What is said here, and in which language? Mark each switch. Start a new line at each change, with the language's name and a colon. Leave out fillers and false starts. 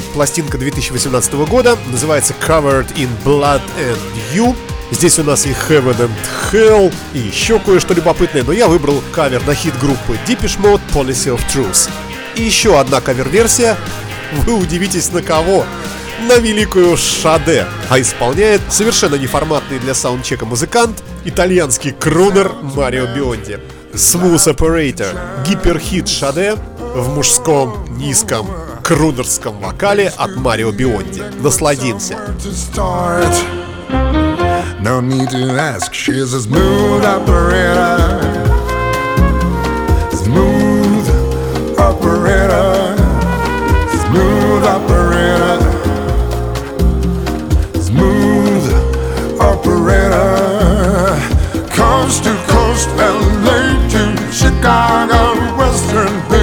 Russian: Пластинка 2018 года называется Covered in Blood and You. Здесь у нас и Heaven and Hell, и еще кое-что любопытное, но я выбрал кавер на хит группы Depeche Mode Policy of Truth. И еще одна кавер-версия. Вы удивитесь, на кого? На великую Шаде. А исполняет совершенно неформатный для саундчека музыкант, итальянский крунер Марио Бионди.
English: Smooth Operator.
Russian: Гиперхит Шаде в мужском низком крунерском вокале от Марио Бионди. Насладимся.
English: No need to ask, she's a smooth operator. Smooth operator. Smooth operator. Smooth operator. Coast to coast, LA to Chicago, Western.